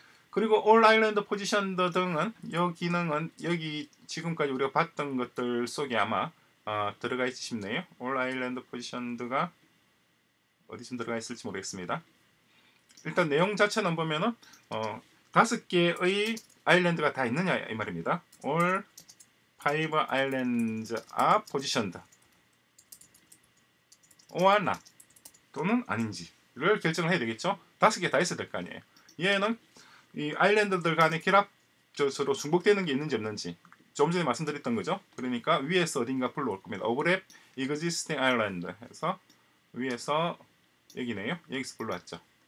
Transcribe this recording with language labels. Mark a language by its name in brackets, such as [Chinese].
[Korean] 그리고 all island position 등은 이 기능은 여기 지금까지 우리가 봤던 것들 속에 아마 들어가 있으시네요. all island position가 어디쯤 들어가 있을지 모르겠습니다. 일단 내용 자체는 보면은 다섯 개의 아일랜드가 다 있느냐 이 말입니다. [English] all five islands are positioned. [Korean] 오하나 또는 아닌지를 결정을 해야 되겠죠. 다섯 개다 있어야 될거 아니에요. 얘는 이 아일랜드들 간에 결합적으로 중복되는 게 있는지 없는지 좀 전에 말씀드렸던 거죠. 그러니까 위에서 어딘가 불러올 겁니다. Overlap existing island 해서 위에서 여기네요. 여기서 불러왔죠.